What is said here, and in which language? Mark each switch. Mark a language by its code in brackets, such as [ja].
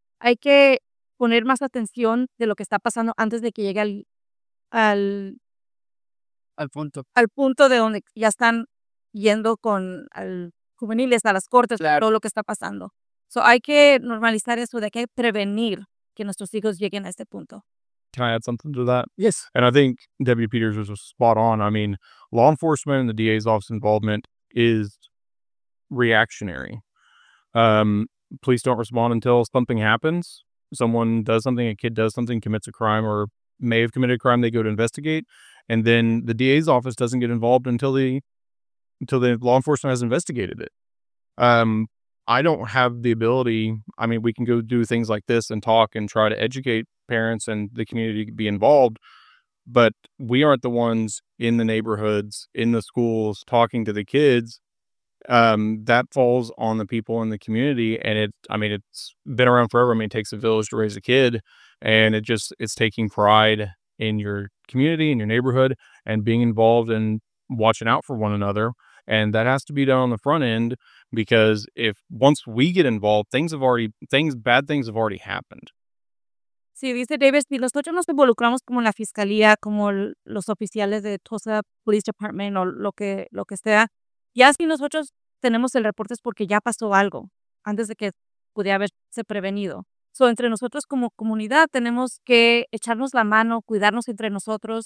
[es] Hay que poner más atención de lo que está pasando antes de que llegue al punto de donde ya están yendo con al juveniles a las cortes, claro. Todo lo que está pasando. So hay que normalizar eso, de que hay que prevenir que nuestros hijos lleguen a este punto. [en] Can I add something to that? Yes. And I think Deputy Peters was spot on. I mean, law enforcement and the DA's office involvement is reactionary. Police don't respond until something happens. Someone does something, a kid does something, commits a crime or may have committed a crime, they go to investigate. And then the DA's office doesn't get involved until the law enforcement has investigated it. I don't have the ability. I mean, we can go do things like this and talk and try to educate parents and the community to be involved, but we aren't the ones in the neighborhoods, in the schools, talking to the kids. That falls on the people in the community. And it, I mean, it's been around forever. I mean, it takes a village to raise a kid, and it just, it's taking pride in your community, in your neighborhood, and being involved and watching out for one another. And that has to be done on the front end, because if once we get involved, bad things have already happened. [es] Sí, dice Davis, y nosotros nos involucramos como la fiscalía, como los oficiales de Tulsa Police Department o lo que sea. Ya si nosotros tenemos el reporte es porque ya pasó algo antes de que pudiera haberse prevenido. So, entre nosotros como comunidad tenemos que echarnos la mano, cuidarnos entre nosotros.